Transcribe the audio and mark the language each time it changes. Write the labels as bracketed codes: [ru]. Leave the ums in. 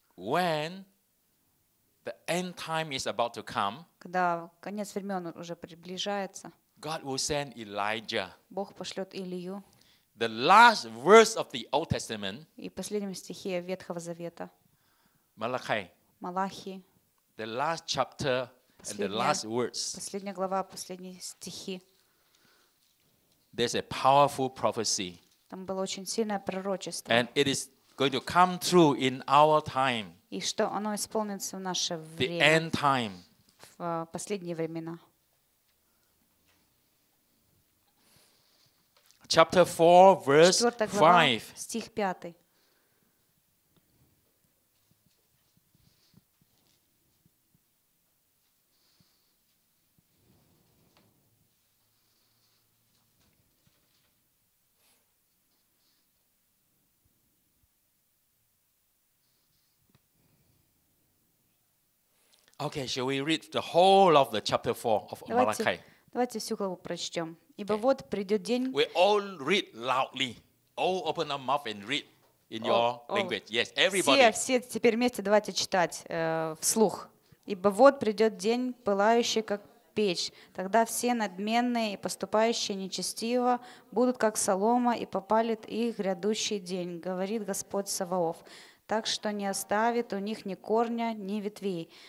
[en] When the end time is about to come, [ru] когда конец времен уже приближается, [en] God will send Elijah. [ru] Бог пошлет Илью. [en] The last verse of the Old Testament, [ru] и последнем стихе Ветхого Завета, Малахай, Малахи, [en] the last chapter and the last, last words, [ru] последняя глава, последние стихи, [en] there's a powerful prophecy. [ru] Там было очень сильное пророчество. [en] And it is going to come true in our time. [ru] и что оно исполнится в наше время, в последние времена. [en] Chapter 4, verse пятый. Okay, shall we read the whole of the chapter four of Malachi? [ru] Давайте всю главу прочтем. Ибо yeah. вот придет день. [en] We all read loudly. All open our mouth and read in oh, your language. Oh, yes, everybody. Все, [ru] все теперь вместе давайте читать э, вслух. Ибо вот придет день, пылающий как печь. Тогда все надменные и поступающие нечестиво будут как солома и попалит их грядущий день, говорит Господь Саваоф так что не оставит у них ни корня, ни ветвей.